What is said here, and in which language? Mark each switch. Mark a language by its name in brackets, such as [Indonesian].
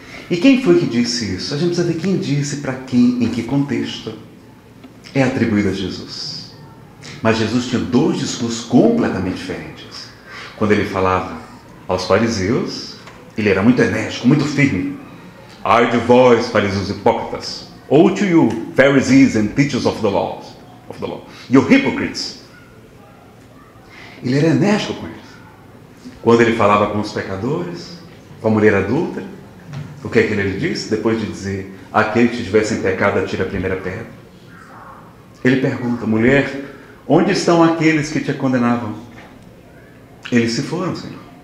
[Portuguese] E quem foi que disse isso? A gente precisa ver quem disse, para quem, em que contexto. É atribuído a Jesus. Mas Jesus tinha dois discursos completamente diferentes. Quando ele falava aos fariseus, ele era muito enérgico, muito firme. Ai de vós, fariseus hipócritas. [English] O to you, Pharisees and teachers of the law. You hypocrites. [Portuguese] Ele era enérgico com eles. Quando ele falava com os pecadores, com a mulher adulta, o que é que ele disse? Depois de dizer, aquele que tivesse em pecado, atire a primeira pedra. Ele pergunta, mulher, onde estão aqueles que te condenavam? Eles se foram, Senhor.